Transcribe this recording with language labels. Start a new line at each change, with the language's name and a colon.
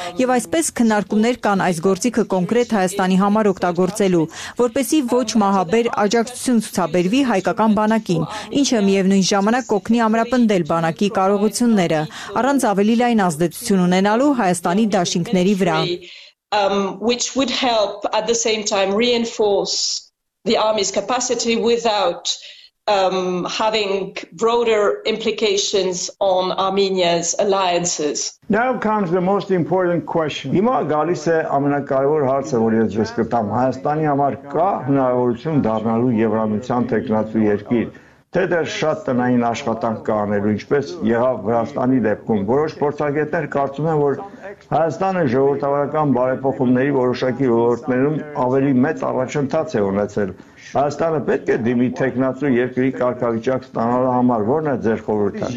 Armenian: Եվ այսպես քննարկումներ կան այս գործիքը կոնկրետ Հայաստանի համար օգտագործելու, որպեսի ոչ մահաբեր աջակցություն ցուցաբերվի հայկական բանակին, ինչը միևնույն ժամանակ կօգնի ամրապնդել բանակի կարողությունները, առանց ավելի լայն ազդեցություն ունենալու Հայաստանի դաշինքների վրա։
English: Which would help at the same time reinforce the army's capacity without having broader implications on Armenia's alliances. Now comes the most important question.
Armenian: Հիմա գալիս է ամենակարևոր հարցը, որ ես ձեզ կտամ։ Հայաստանի համար կա հնարավորություն դառնալու Եվրամիության թեկնածու երկիր, թե դեռ շատ տնային աշխատանք կա անելու, ինչպես եղավ Վրաստանի դեպքում։ Որոշ փորձագետներ կարծում են, որ Հայաստանը ժողովրդավարական բարեփոխումների որոշակի ոլորտներում ավելի մեծ առաջընթաց է ունեցել։ Հայաստանը պետք է դիմի թեկնածու երկրի կարգավիճակ ստանալու համար։ Որն է ձեր խորհուրդը?